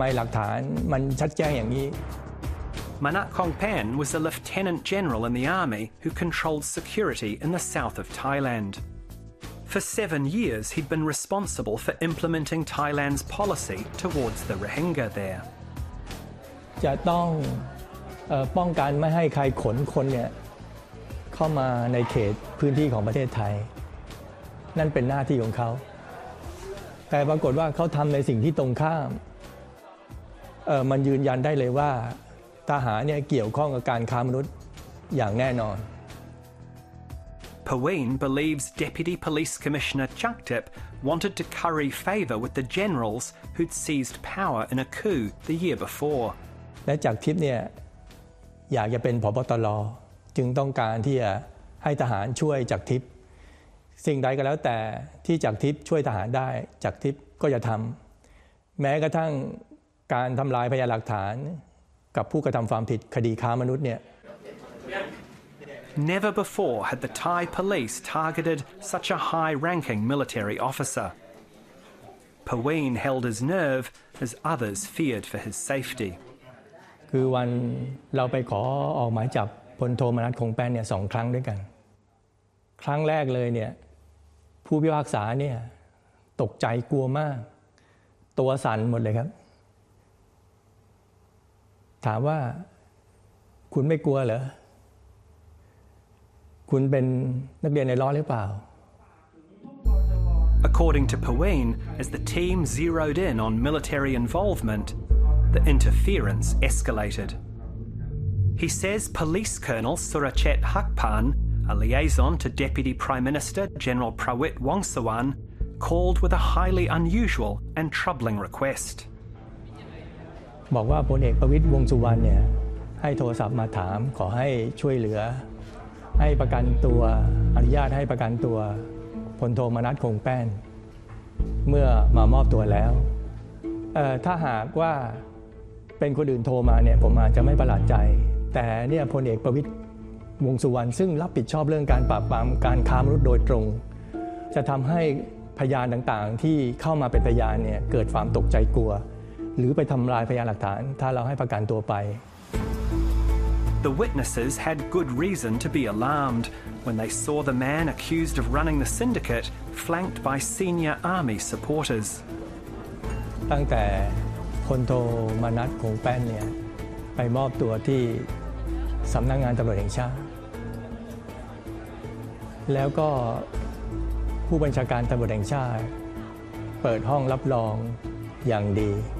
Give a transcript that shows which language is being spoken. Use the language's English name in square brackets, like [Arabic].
[Thai] เมื่อตรวจสอบสลิปโอนเงินเนี่ยมันมีการโอนเงินเนี่ยจากผู้ค้ามนุษย์เนี่ยมาให้พลโทมนัสคงแป้นเนี่ยประมาณ10กว่าล้านบาทในขณะนั้นซึ่งระยะเวลาในการโอนเงินเนี่ยไม่กี่เดือนเท่านั้นเองผมทีแรกอะเมื่อได้เห็นเนี่ยผมก็ตกใจว่าทำไมหลักฐานมันชัดแจ้งอย่างนี้ [English] Manat Kongpan was a lieutenant general in the army who controlled security in the south of Thailand. For 7 years, he'd been responsible for implementing Thailand's policy towards the Rohingya there. [Thai] จะต้องป้องกันไม่ให้ใครขนคนเนี่ยเข้ามาในเขตพื้นที่ของประเทศไทยนั่นเป็นหน้าที่ของเขาแต่ปรากฏว่าเขาทำในสิ่งที่ตรงข้ามมันยืนยันได้เลยว่า [English] Hween believes Deputy Police Commissioner Chakdep wanted to curry favour with the generals who'd seized power in a coup the year before. [Thai] และจากทิพย์เนี่ยอยากจะเป็นผบ.ตร.จึงต้องการที่จะให้ทหารช่วยจากทิพย์สิ่งใดก็แล้วแต่ที่จากทิพย์ช่วยทหารได้จากทิพย์ก็จะทำแม้กระทั่ง การทำลายพยานหลักฐานกับผู้กระทำความผิดคดีค้ามนุษย์เนี่ย [English] Never before had the Thai police targeted such a high-ranking military officer. Paween held his nerve as others feared for his safety. [Thai] คือวันเราไปขอออกหมายจับพลโทมนัสคงแป้นเนี่ย2ครั้งด้วยกันครั้งแรกเลยเนี่ยผู้พิพากษาเนี่ยตกใจกลัวมากตัวสั่นหมดเลยครับถามว่าคุณไม่กลัวเหรอคุณเป็นนักเรียนในร้อนหรือเปล่า [English] According to Paween, as the team zeroed in on military involvement, the interference escalated. He says Police Colonel Surachet Hakpan, a liaison to Deputy Prime Minister General Prawit Wongsawan, called with a highly unusual and troubling request. [Thai] บอกว่าพลเอกประวิตรวงสุวรรณเนี่ยให้โทรศัพท์มาถามขอให้ช่วยเหลือให้ประกันตัวอนุญาตให้ประกันตัวพลโทมนัสคงแป้นเมื่อมามอบตัวแล้ว ถ้าหากว่าเป็นคนอื่นโทรมาเนี่ยผมอาจจะไม่ประหลาดใจแต่เนี่ยพลเอกประวิตรวงสุวรรณซึ่งรับผิดชอบเรื่องการปราบปรามการค้ามนุษย์โดยตรงจะทำให้พยานต่างๆที่เข้ามาเป็นพยานเนี่ยเกิดความตกใจกลัวหรือไปทำลายพยานหลักฐานถ้าเราให้ประกันตัวไป [English] The witnesses had good reason to be alarmed when they saw the man accused of running the syndicate flanked by senior army supporters [Thai] ตั้งแต่คนโทรมานัดคงแป้นเนี่ยไปมอบตัวที่สำนักงานตำรวจแห่งชาติแล้วก็ผู้บัญชาการตำรวจแห่งชาติเปิดห้องรับรองอย่างดี